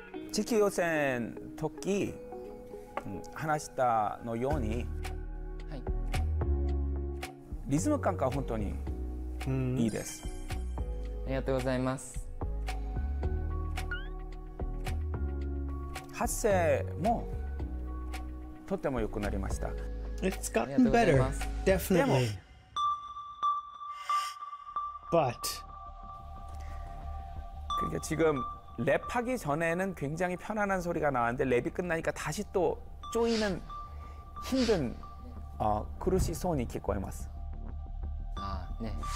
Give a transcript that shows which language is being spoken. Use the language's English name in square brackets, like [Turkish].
[Japanese] 地球予選の時、話したのように、はい、リズム感が本当にいいです。ありがとうございます。発声も。とても良くなりました。 [English] It's gotten better, definitely. But [Korean] 그러니까 지금 랩하기 전에는 굉장히 편안한 소리가 나왔는데 랩이 끝나니까 다시 또 조이는 힘든 [Japanese] 苦しい [Korean] 소리가 [Japanese] 聞こえます. [Korean] 아, 네.